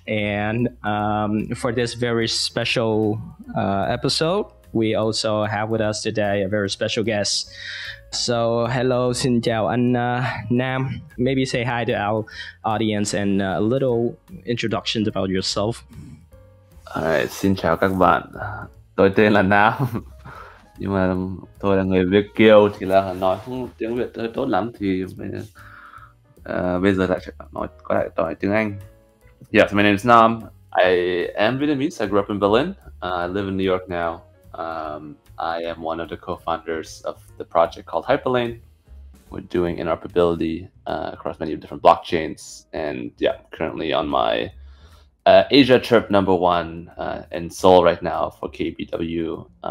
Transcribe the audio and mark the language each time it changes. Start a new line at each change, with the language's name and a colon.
English: And for this very special episode, we also have with us today a very special guest. So hello,
Vietnamese: xin chào anh Nam.
English: Maybe say hi to our audience and a little introduction about yourself. Alright,
Vietnamese: xin chào các bạn. Tôi tên là Nam. Nhưng mà tôi là người Việt kiều thì là nói không tiếng Việt hơi tốt lắm thì bây giờ lại nói có lại nói tiếng Anh.
English: Yes, my name is Nam. I am Vietnamese. I grew up in Berlin. I live in New York now. I am one of the co-founders of the project called Hyperlane. We're doing interoperability across many different blockchains, and yeah, currently on my Asia trip number one in Seoul right now for KBW.